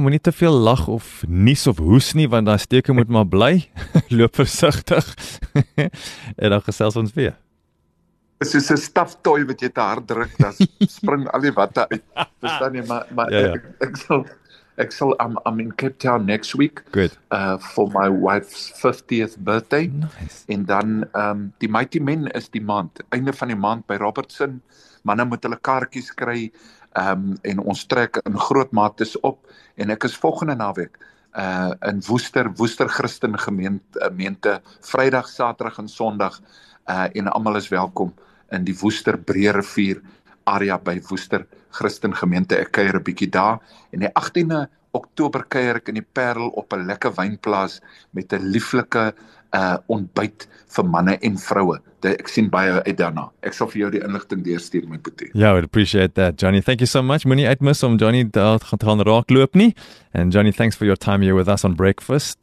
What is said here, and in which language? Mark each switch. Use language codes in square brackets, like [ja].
[af] Moenie te veel lag of nies of hoes nie, want daar steke moet maar bly. Loop versigtig. En dan gesels ons weer. Dit is 'n staftooi wat jy te hard druk, dan spring al die watte uit. Verstaan jy, maar ja, ja. Ek sal [en] I'm in Cape Town next week. Good. For my wife's 50th birthday. Nice. [af] En dan die Mighty Men is die maand, einde van die maand by Robertson. Manne moet hulle kaartjies kry. En ons trek in groot mate op en ek is volgende naweek in Woester Christen gemeente Vrydag, Saterdag en Sondag. En almal is welkom in die Woester Breerivier area by Woester Christen Gemeente. Ek kuier 'n bietjie daar en die 18de Oktober kuier ek in die Parel op 'n lekker wynplaas met 'n lieflike ontbyt vir manne en vroue. Ek sien baie uit daarna. Ek sal vir jou die inligting deurstuur, my boetie. [en] Yeah, I would appreciate that, Johnny. Thank you so much. [af] Moenie uitmis om Johnny daar te gaan raakloop nie. [en] And Johnny, thanks for your time here with us on breakfast.